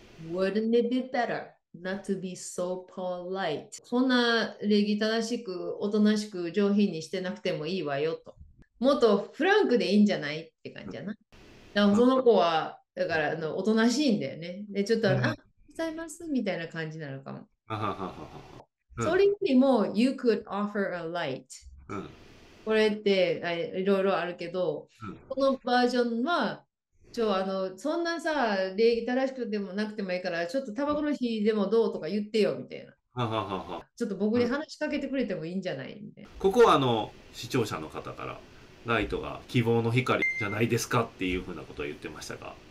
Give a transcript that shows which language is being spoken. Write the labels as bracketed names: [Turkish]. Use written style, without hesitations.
[English] Wouldn't it be better not to be so polite? [Japanese] そんな礼儀正しく、おとなしく、上品にしてなくてもいいわよと。もっとフランクでいいんじゃないって感じやな。その子は、だから、おとなしいんだよね。で、ちょっと、あ、ございます、みたいな感じなのかも。それよりも、 [English] you could offer a light。 [Japanese] これって、いろいろあるけど、このバージョンは、そんなさ、礼儀正しくでもなくてもいいから、ちょっとタバコの火でもどうとか言ってよ、みたいな。ちょっと僕に話しかけてくれてもいいんじゃない? みたいな。ここは視聴者の方からライトが希望の光じゃないですかっていうふうなことを言ってましたが。